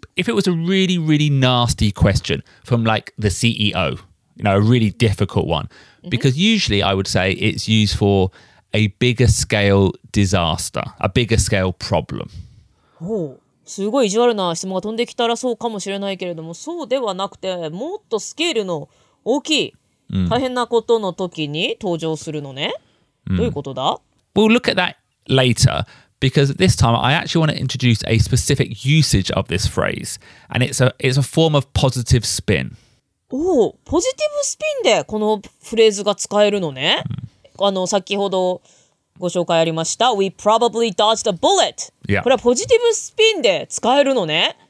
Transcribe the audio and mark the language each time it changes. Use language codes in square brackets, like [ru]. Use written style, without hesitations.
[en] If it was a really, really nasty question from like the CEO, you know, a really difficult one. Because usually I would say it's used for a bigger scale disaster, a bigger scale problem. Oh. [ja] すごい意地悪な質問が飛んできたらそうかもしれないけれども、そうではなくて、もっとスケールの大きい、大変なことの時に登場するのね。どういうことだ? [en] We'll look at that later, because this time I actually want to introduce a specific usage of this phrase, and it's a form of positive spin. [ja] おお、ポジティブスピンでこのフレーズが使えるのね。あの、先ほど、ご紹介ありました。 [en] We probably dodged a bullet.、 Yeah. [ja] これはポジティブスピンで使えるのね。